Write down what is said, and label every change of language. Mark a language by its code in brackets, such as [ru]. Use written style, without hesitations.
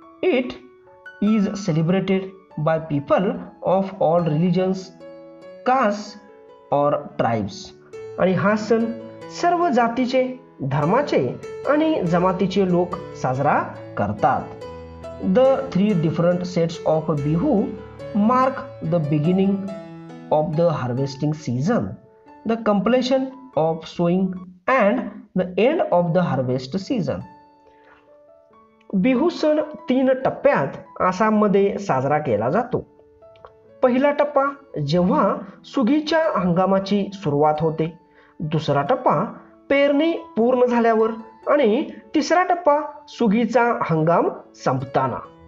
[en] It is celebrated by people of all religions caste or tribes. [mr] आणि हा सण सर्व जातीचे धर्माचे आणि जमातीचे लोक साजरा करतात. [en] The three different sets of Bihu mark the beginning of the harvesting season, the completion of sowing and the end of the harvest season. [mr] Bihu सण 3 टप्प्यात आसाममध्ये साजरा केला जातो. पहिला टप्पा जेव्हा सुगीच्या हंगामाची सुरुवात होते, दुसरा टप्पा पेरणी पूर्ण झाल्यावर आणि तिसरा टप्पा सुगीचा हंगाम संपताना.